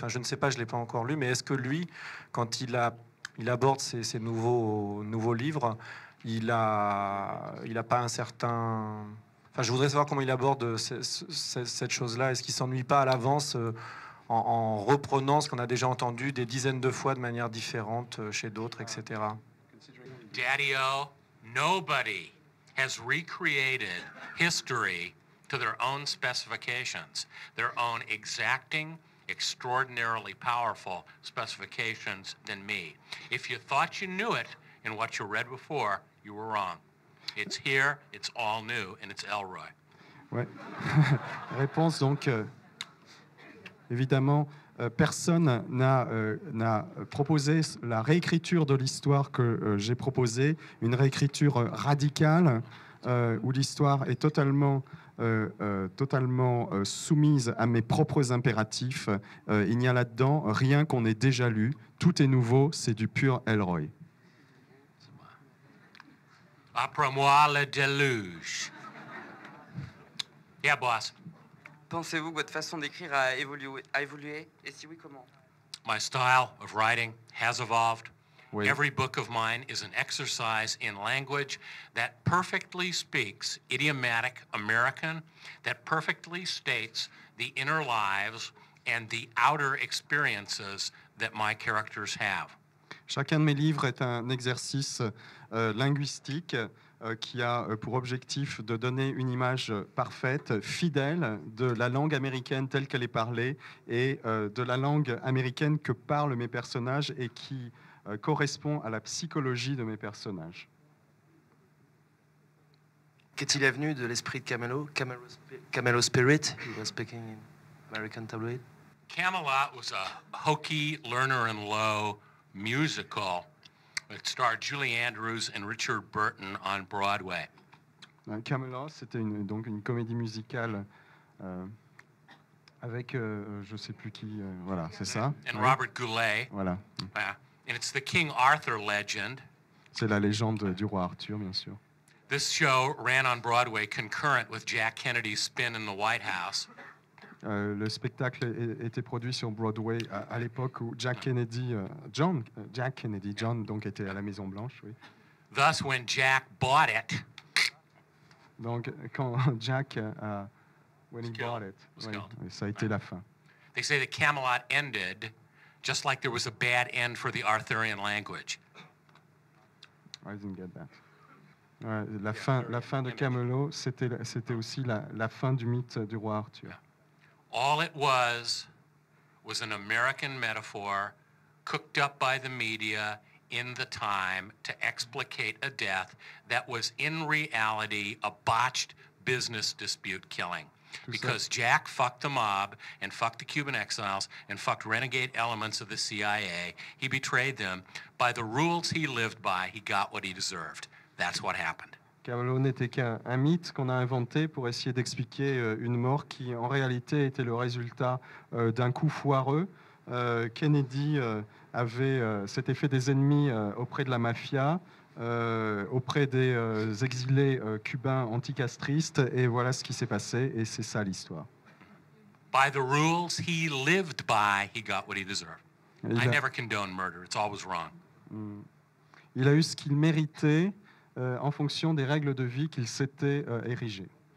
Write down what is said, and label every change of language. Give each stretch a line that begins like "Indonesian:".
French: Enfin, je ne sais pas, je ne l'ai pas encore lu, mais est-ce que lui, quand il aborde ces nouveaux livres, il a pas un certain... Enfin, je voudrais savoir comment il aborde cette chose-là. Est-ce qu'il ne s'ennuie pas à l'avance en reprenant ce qu'on a déjà entendu des dizaines de fois de manière différente chez d'autres, etc.
English: Daddy-o, nobody has recreated history to their own specifications, their own exacting, extraordinarily powerful specifications than me. If you thought you knew it in what you read before, you were wrong. It's here, it's all new, and it's Elroy.
French: Ouais. Réponse donc... Évidemment, personne n'a proposé la réécriture de l'histoire que j'ai proposée, une réécriture radicale où l'histoire est totalement soumise à mes propres impératifs. Il n'y a là-dedans rien qu'on ait déjà lu. Tout est nouveau, c'est du pur Elroy. Après moi, le déluge.
English: Yeah, boss.
French: Pensez-vous que votre façon d'écrire a évolué? Et si oui, comment?
English: My style of writing has evolved.
French: Oui.
English: Every book of mine is an exercise in language that perfectly speaks idiomatic American, that perfectly states the inner lives and the outer experiences that my characters have.
French: Chacun de mes livres est un exercice linguistique qui a pour objectif de donner une image parfaite, fidèle de la langue américaine telle qu'elle est parlée et de la langue américaine que parlent mes personnages et qui correspond à la psychologie de mes personnages. Qu'est-il venu de l'esprit de Camelot?
English: Camelot Spirit, he was speaking in American Tabloid. Camelot was a hokey, learner and low musical. It starred Julie Andrews and Richard Burton on Broadway.
French: Camelot, c'était une comédie musicale avec je sais plus qui, voilà, c'est ça.
English: And Robert Goulet.
French: Voilà.
English: And it's the King Arthur legend.
French: C'est la légende du roi Arthur, bien sûr.
English: This show ran on Broadway concurrent with Jack Kennedy's spin in the White House.
French: Le spectacle était produit sur Broadway à l'époque où John Kennedy, donc était à la Maison Blanche, oui.
English: Thus, when Jack bought it.
French: Donc, quand Jack,
English: when he bought it,
French: oui, ça a été la fin.
English: They say that Camelot ended just like there was a bad end for the Arthurian language. I didn't get that.
French: La fin de Camelot, c'était aussi la fin du mythe du roi Arthur.
English: Yeah. All it was an American metaphor cooked up by the media in the time to explicate a death that was in reality a botched business dispute killing. Because Jack fucked the mob and fucked the Cuban exiles and fucked renegade elements of the CIA, he betrayed them. By the rules he lived by, he got what he deserved. That's what happened.
French: Camelot n'était qu'un mythe qu'on a inventé pour essayer d'expliquer une mort qui, en réalité, était le résultat d'un coup foireux. Kennedy s'était fait des ennemis auprès de la mafia, auprès des exilés cubains anticastristes, et voilà ce qui s'est passé, et c'est ça l'histoire.
English: By the rules he lived by, he got what he deserved. I never condone murder, it's always wrong.
French: Il a eu ce qu'il méritait, en fonction des règles de vie qu'il s'était érigées.